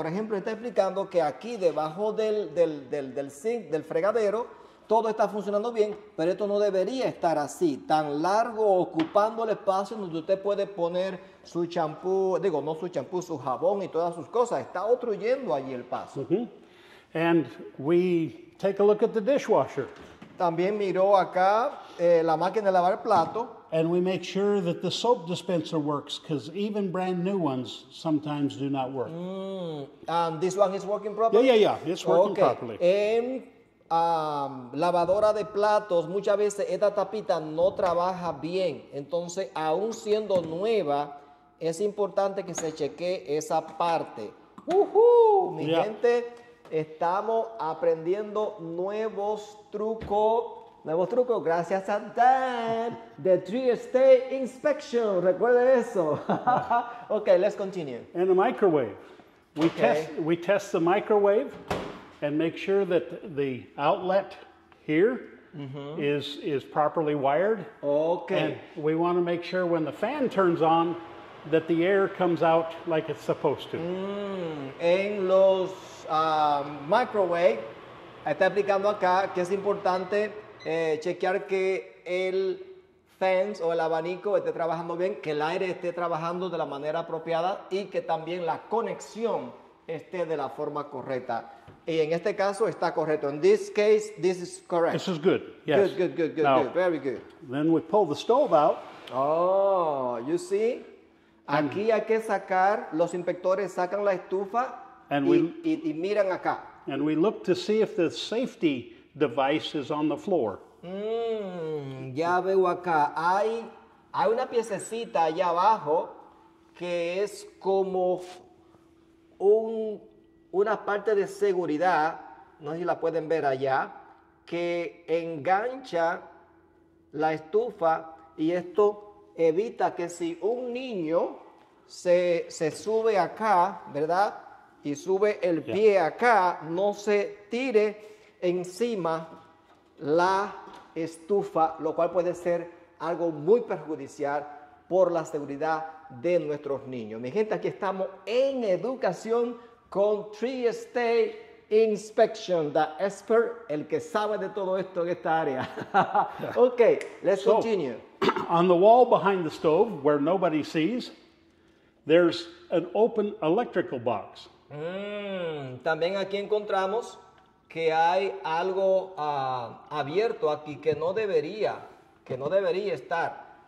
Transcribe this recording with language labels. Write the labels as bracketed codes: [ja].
[es] Por ejemplo, está explicando que aquí debajo del sink, del fregadero, todo está funcionando bien, pero esto no debería estar así, tan largo, ocupando el espacio donde usted puede poner su champú, digo, no su champú, su jabón y todas sus cosas. Está obstruyendo allí el paso. [en] And we take a look at the dishwasher. [es] También miró acá la máquina de lavar plato. [en] And we make sure that the soap dispenser works, because even brand new ones sometimes do not work. And this one is working properly? Yeah. It's working okay. properly. [es] Lavadora de platos, muchas veces esta tapita no trabaja bien. Entonces, aún siendo nueva, es importante que se chequee esa parte. Mi [en] yeah. [es] gente, estamos aprendiendo nuevos trucos, gracias a Dan, the Tree Estate Inspection. Recuerde eso. [en] Ok, let's continue. And a microwave. We test the microwave and make sure that the outlet here is properly wired. Okay. And we want to make sure when the fan turns on that the air comes out like it's supposed to. [es] En los microwave, está explicando acá que es importante chequear que el fence o el abanico esté trabajando bien, que el aire esté trabajando de la manera apropiada y que también la conexión esté de la forma correcta. Y en este caso está correcto. [en] In this case, this is correct. This is good. Yes. Good. Now, good. Very good. Then we pull the stove out. Oh, you see? [es] Aquí hay que sacar, los inspectores sacan la estufa y miran acá. [en] And we look to see if the safety device is on the floor. [es] Ya veo acá. Hay una piececita allá abajo que es como una parte de seguridad, no sé si la pueden ver allá, que engancha la estufa y esto evita que si un niño se sube acá, ¿verdad? Y sube el pie acá, no se tire encima la estufa, lo cual puede ser algo muy perjudicial por la seguridad de nuestros niños. Mi gente, aquí estamos en educación con Tree State Inspection, [en] the expert, [es] el que sabe de todo esto en esta área. [en] Okay, let's continue. On the wall behind the stove, where nobody sees, there's an open electrical box. [es] También aquí encontramos que hay algo abierto aquí que no debería estar.